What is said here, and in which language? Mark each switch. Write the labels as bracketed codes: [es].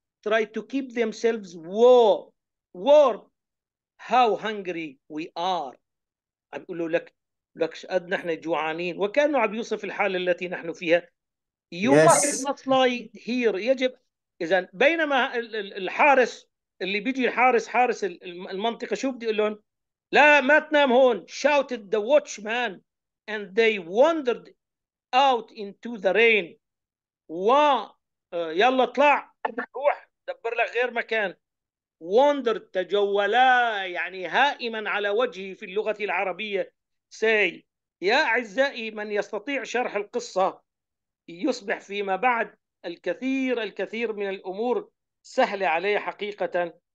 [en] Try to keep themselves warm. How hungry we are, [ar] عم يقول له لك لك قد نحن جوعانين، وكانه عم يوصف الحاله التي نحن فيها. يو هير يجب. اذا بينما الحارس اللي بيجي الحارس حارس المنطقه شو بدي اقول لهم؟ لا ما تنام هون. [en] shouted the watchman and they wandered out into the rain. [ar] و يلا اطلع روح دبر لك غير مكان. واندر تجولا يعني هائما على وجهي في اللغه العربيه. say يا اعزائي من يستطيع شرح القصه يصبح فيما بعد الكثير الكثير من الامور سهله عليه حقيقه.